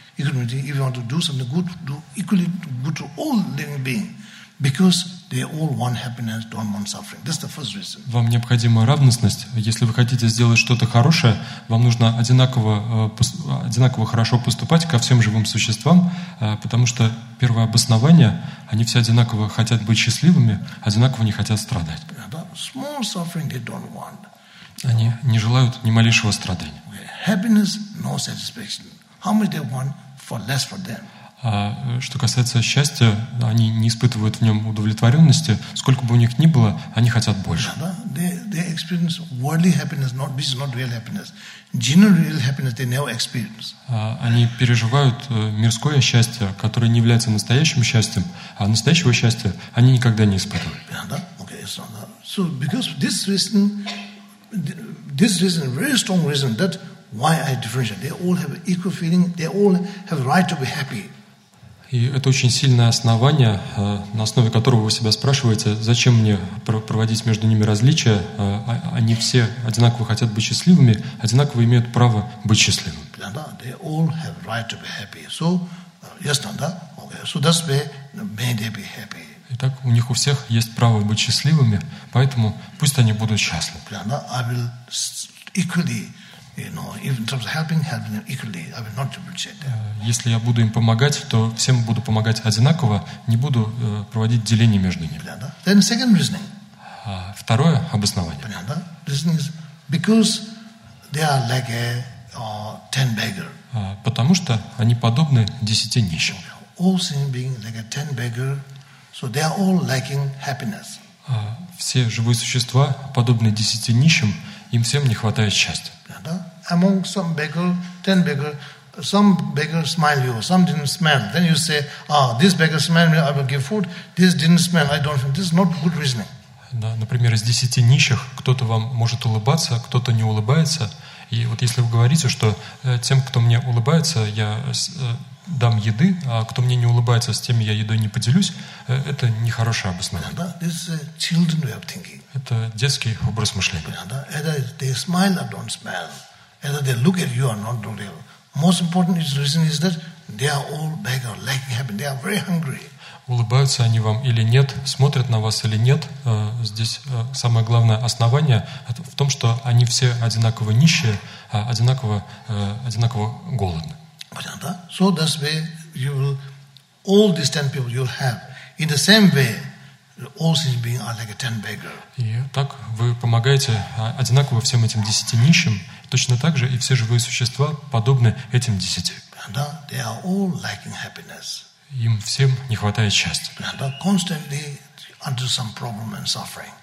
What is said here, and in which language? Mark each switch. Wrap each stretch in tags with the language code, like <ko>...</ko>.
<en>Equanimity, if you want to do something good, do equally good to all living beings, because they all want happiness, don't want suffering. That's the first reason.</en> <ru>Вам необходима равностность. Если вы хотите сделать что-то хорошее, вам нужно одинаково хорошо поступать ко всем живым существам, потому что первое обоснование, они все одинаково хотят быть счастливыми, одинаково не хотят страдать.</ru> <en>Small suffering they don't want.</en> <ru>Они не желают ни малейшего страдания.</ru> <en>Happiness, no satisfaction. How much they want for less for them?</en> <ru>Что касается счастья, они не испытывают в нем удовлетворенности. Сколько бы у них ни было, они хотят больше.</ru> <en>They experience worldly happiness, not this is not real happiness. Genuine real happiness they never experience.</en> <ru>Они переживают мирское счастье, которое не является настоящим счастьем, а настоящего счастья они никогда не испытывают.</ru> <en>So because this reason, very strong reason that why I differentiate. They all have equal feeling. They all have right to be happy.</en> <ru>И это очень сильное основание, на основе которого вы себя спрашиваете, зачем мне проводить между ними различия? Они все одинаково хотят быть счастливыми, одинаково имеют право быть счастливыми.</ru> <en>They all have right to be happy. So, yes, да? Okay. So that's why may they be happy.</en> <ru>Итак, у них у всех есть право быть счастливыми, поэтому пусть они будут счастливы.</ru> <en>I will equally, you know, even in terms of helping them equally, I will not differentiate them.</en> <ru>Если я буду им помогать, то всем буду помогать одинаково, не буду проводить деление между ними.</ru> <en>Then second reasoning.</en> <ru>Второе обоснование.</ru> <en>Reasoning is because they are like a 10 beggar.</en> <ru>Потому что они подобны 10 нищим.</ru> <en>All sin being like a 10 beggar, so they are all lacking happiness.</en> <ru>Все живые существа подобны 10 нищим, им всем не хватает счастья.</ru> <en>Among some beggar, 10 beggar, some beggar smile you, some didn't smile. Then you say, this beggar smiled me, I will give food. This didn't smile, I don't think. This is not good reasoning.</en> <ru>Да, например, из 10 нищих кто-то вам может улыбаться, кто-то не улыбается. И вот если вы говорите, что тем, кто мне улыбается, я дам еды, а кто мне не улыбается, с теми я едой не поделюсь, это нехорошее обоснование.</ru> <en>Да, this is a children way of thinking.</en> <ru>Это детский образ мышления.</ru> <en>Да, either they smile or don't smile. Either they look at you or not real. Most important reason is that they are all beggar, lacking happiness. They are very hungry.</en> <ru>Улыбаются они вам или нет, смотрят на вас или нет, здесь самое главное основание в том, что они все одинаково нищие, одинаково голодны. Понятно?</ru> <en>So that's way you will, all these 10 people you'll have. In the same way, all sin beings are like a 10 beggar.</en> <ru>И так вы помогаете одинаково всем этим 10 нищим, точно так же и все живые существа подобны этим 10. Понятно?</ru> <en>They are all lacking happiness.</en> <ru>Им всем не хватает счастья. Понятно?</ru> <en>Constantly under some problem and suffering.</en>